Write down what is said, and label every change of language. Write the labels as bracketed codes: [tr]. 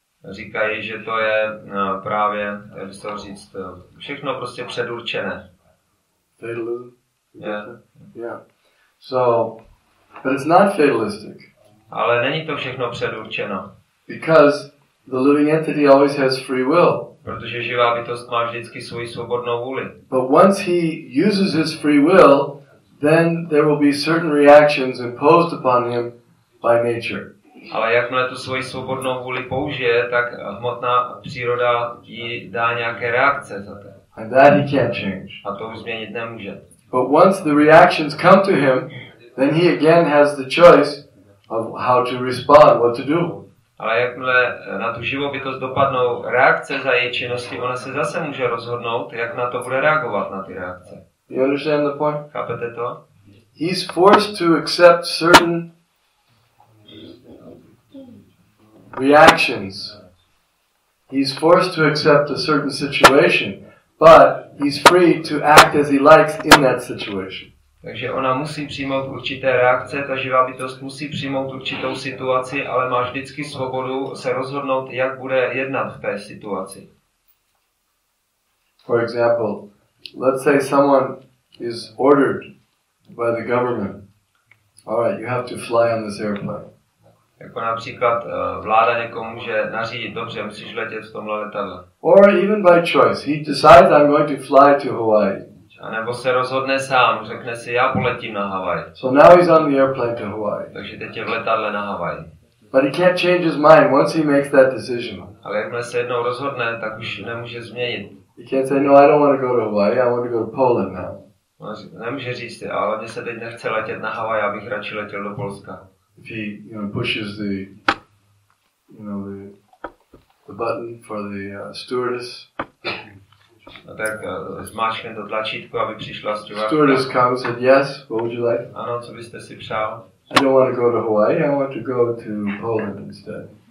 [cs] Říkají, že to je právě, jak bych to říct, všechno prostě předurčené. [en] Fatalism? Yeah. So, but it's not fatalistic. [cs] Ale není to všechno předurčeno. [en] Because the living entity always has free will. [cs] Protože živá bytost má vždycky svoji svobodnou vůli. [en] But once he uses his free will, then there will be certain reactions imposed upon him by nature. [cs] Ale jakmile tu svoji svobodnou vůli použije, tak hmotná příroda jí dá nějaké reakce za to. [en] And that he can't change. [cs] A to už změnit nemůže. [en] But once the reactions come to him, then he again has the choice of how to respond, what to do. [cs] Ale jakmile na tu živobytost dopadnou reakce za její činnosti, ona se zase může rozhodnout, jak na to bude reagovat, na ty reakce. [en] You understand the point? [cs] Chápete to? [en] He's forced to accept certain reactions. He's forced to accept a certain situation. But he's free to act as he likes in that situation. [cs] Takže ona musí přijmout určité reakce, ta živá bytost musí přijmout určitou situaci, ale má vždycky svobodu se rozhodnout, jak bude jednat v té situaci. [en] For example, let's say someone is ordered by the government. All right, you have to fly on this airplane. [cs] Jako například vláda někomu může nařídit, dobře, musíš letět v tomhle letadle. [en] Or even by choice, he decides I'm going to fly to Hawaii. [cs] A nebo se rozhodne sám, řekne si, já poletím na Hawaii. [en] So now he's on the airplane to Hawaii. [cs] Takže teď je v letadle na Hawaii. [en] But he can't change his mind once he makes that decision. [cs] Ale jakmile se jednou rozhodne, tak už nemůže změnit. [en] He can't say, no, I don't want to go to Hawaii, I want to go to Poland now. [cs] Nemůže říct, ale mně se teď nechce letět na Hawaii, já bych radši letěl do Polska. [en] If he, you know, pushes the, you know, the button for the stewardess. [cs] A tak zmáčkne to tlačítko, aby přišla stewardess. [en] Stewardess comes and yes, what would you like? [cs] Ano, co byste si přál? [en] I don't want to go to Hawaii, I want to go to Poland instead.